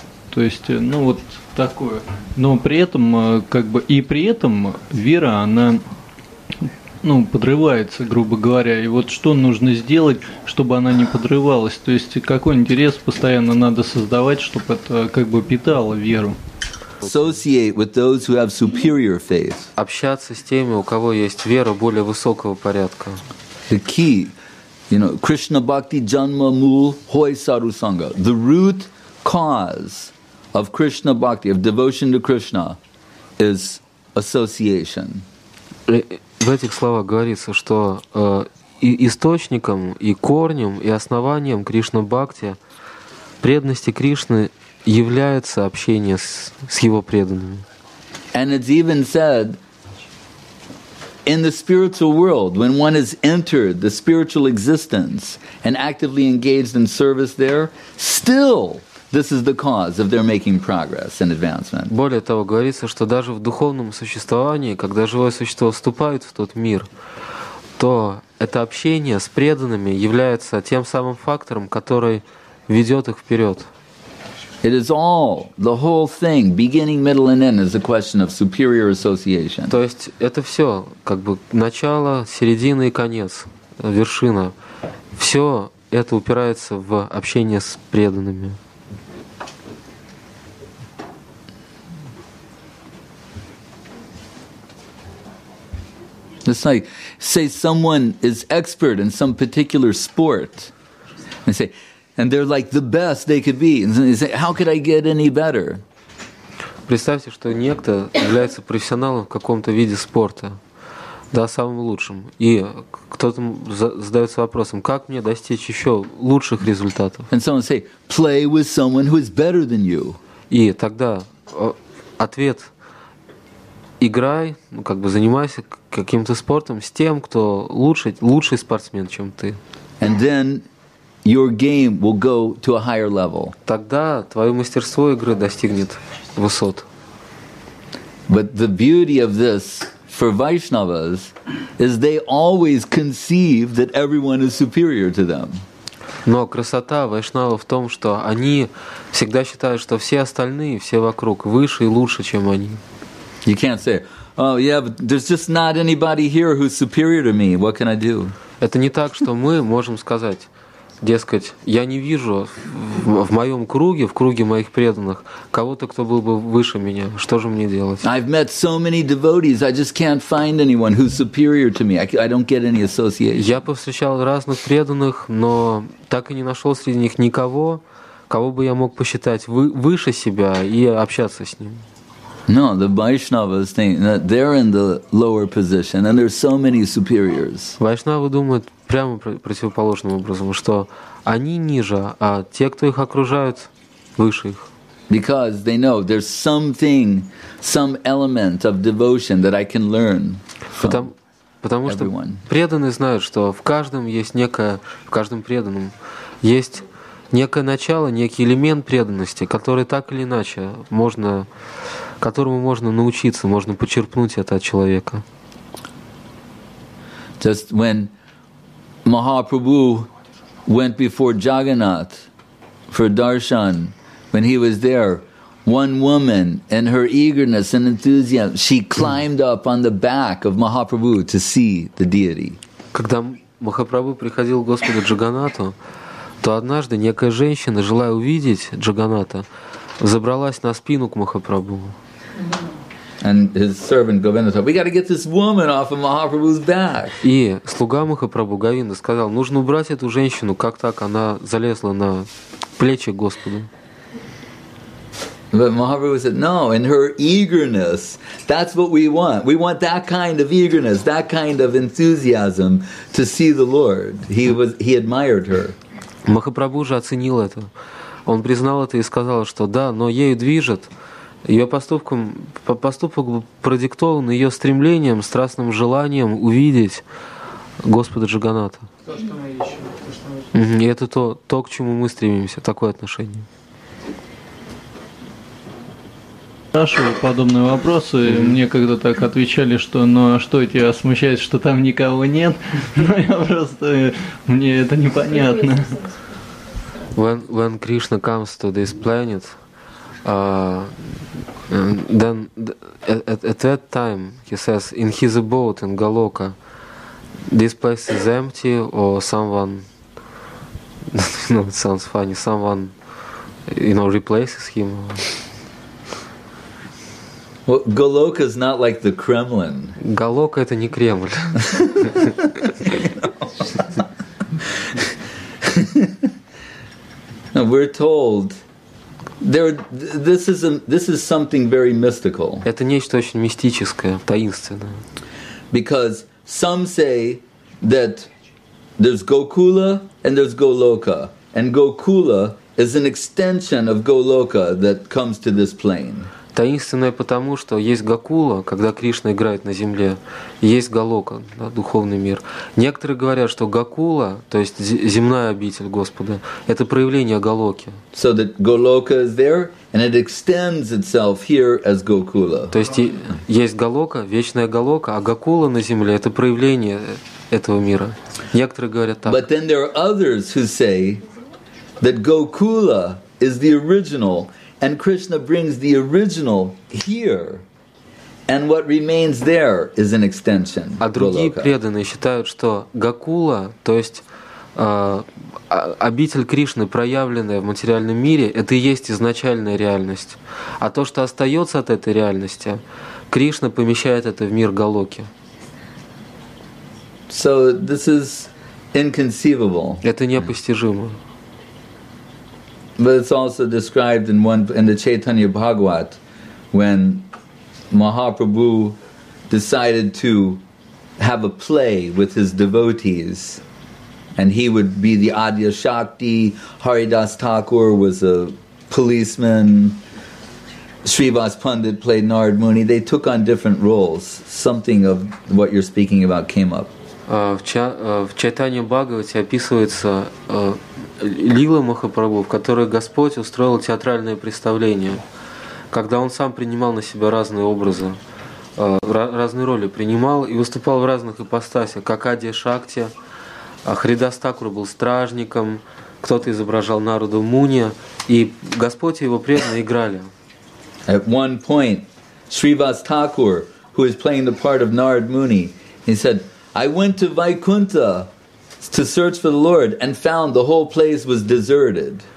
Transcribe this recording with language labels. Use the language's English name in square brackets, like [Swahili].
[Russian] То есть, ну вот такое. Но при этом, как бы, и при этом вера, она, ну, подрывается, грубо говоря. И вот что нужно сделать, чтобы она не подрывалась? То есть какой интерес постоянно надо создавать, чтобы это как бы питало веру? [English] Associate with those who have superior faith. [Russian] Общаться с теми, у кого есть вера более высокого порядка. [English] The key, you know, [Bangla] Krishna Bhakti Janma Mool Hoy Saru Sangha. [English] The root cause of Krishna Bhakti, of devotion to Krishna, is association. [Russian] В этих словах говорится, что источником и корнем и основанием Кришна Бхакти, преданности Кришны, является общение с его преданными. [English] And it's even said in the spiritual world, when one has entered the spiritual existence and actively engaged in service there, still this is the cause of their making progress and advancement. [Russian] Более того, говорится, что даже в духовном существовании, когда живое существо вступает в тот мир, то это общение с преданными является тем самым фактором, который ведет их вперед. [English] It is all, the whole thing, beginning, middle and end, is a question of superior association. [Russian] То есть это все, как бы начало, середина и конец, вершина. Все это упирается в общение с преданными. [English] It's like, say someone is expert in some particular sport, and say, and they're like the best they could be. And they say, how could I get any better? [Russian] Представьте, что некто является профессионалом в каком-то виде спорта, да, самым лучшим, и кто-то задается вопросом, как мне достичь еще лучших результатов? [English] And someone say, play with someone who is better than you. [Russian] И тогда ответ. Играй, ну как бы занимайся каким-то спортом с тем, кто лучший спортсмен, чем ты. [English] And then your game will go to a higher level. [Russian] Тогда твое мастерство игры достигнет высот. [English] But the beauty of this for Vaishnavas is they always conceive that everyone is superior to them. [Russian] Но красота вайшнава в том, что они всегда считают, что все остальные, все вокруг, выше и лучше, чем они. [English] You can't say, oh yeah, but there's just not anybody here who's superior to me. What can I do? [Russian] Это не так, что мы можем сказать, дескать, я не вижу в моем круге, в круге моих преданных, кого-то, кто был бы выше меня. Что же мне делать? [English] I've met so many devotees, I just can't find anyone who's superior to me. I don't get any association. [Russian] Я повстречал разных преданных, но так и не нашел среди них никого, кого бы я мог посчитать выше себя и общаться с ним. [English] No, the Vaishnavas think that they're in the lower position, and there's so many superiors. [Russian] Вайшнавы думают прямо противоположным образом, что они ниже, а те, кто их окружают, выше их. [English] Because they know there's something, some element of devotion that I can learn from everyone. [Russian] Потому что преданные знают, что в каждом есть некое, в каждом преданном есть некое начало, некий элемент преданности, который так или иначе можно, которому можно научиться, можно почерпнуть это от человека. [English] Just when Mahaprabhu went before Jagannath for darshan, when he was there, one woman in her eagerness and enthusiasm, she climbed up on the back of Mahaprabhu to see the deity. [Russian] Когда Махапрабху приходил к Господу Джаганнату, то однажды некая женщина, желая увидеть Джаганната, забралась на спину к Махапрабху. [English] And his servant Govinda said, "We got to get this woman off of Mahaprabhu's back." [Russian] И слуга Махапрабху Говинда сказал, нужно убрать эту женщину, как так она залезла на плечи Господа. [English] But Mahaprabhu said, "No, in her eagerness, that's what we want. We want that kind of eagerness, that kind of enthusiasm to see the Lord." He admired her. [Russian] Махапрабху же оценил это. Он признал это и сказал, что да, но ею движет, ее поступком, поступок продиктован ее стремлением, страстным желанием увидеть Господа Джаганната. То, что мы ищем. И это то, к чему мы стремимся, такое отношение. спрашивал подобные вопросы, мне когда так отвечали, что ну а что тебя смущает, что там никого нет, но я просто, мне это непонятно. [English] When Krishna comes to this planet, then at that time, he says, in his abode in Galoka, this place is empty, or someone, you know, it sounds funny, someone, you know, replaces him. Well, Goloka is not like the Kremlin. [Russian] Goloka – это не Кремль. [English] No, we're told there. This is something very mystical. [Russian] Это нечто очень мистическое, таинственное. [English] Because some say that there's Gokula and there's Goloka, and Gokula is an extension of Goloka that comes to this plane. [Russian] Таинственное потому, что есть Гокула, когда Кришна играет на земле, есть Голока, да, духовный мир. Некоторые говорят, что Гокула, то есть земная обитель Господа, это проявление Голоки. [English] So that Goloka is there and it extends itself here as Gokula. [Russian] То есть есть Голока, вечная Голока, а Гокула на земле это проявление этого мира. Некоторые говорят так. [English] But then there are others who say that Gokula is the original. And Krishna brings the original here, and what remains there is an extension. [Russian] А другие преданные считают, что Гокула, то есть обитель Кришны, проявленная в материальном мире, это и есть изначальная реальность. А то, что остается от этой реальности, Кришна помещает это в мир Голоки. [English] So this is inconceivable. [Russian] Это непостижимо. [English] But it's also described in the Chaitanya Bhagavat, when Mahaprabhu decided to have a play with his devotees, and he would be the Adya Shakti. Haridas Thakur was a policeman. Srivas Pandit played Narad Muni. They took on different roles. Something of what you're speaking about came up. [Russian] В Чайтанья Бхагавате описывается лила Махапрабху, в которой Господь устроил театральное представление, когда Он сам принимал на себя разные образы, разные роли принимал и выступал в разных ипостасях, как Адья Шакти, Харидас Такур был стражником, кто-то изображал Нараду Муни, и Господь и его преданные играли. [English] At one point, Srivas Thakur, who is playing the part of Narad Muni, he said, I went to Vaikuntha to search for the Lord and found the whole place was deserted.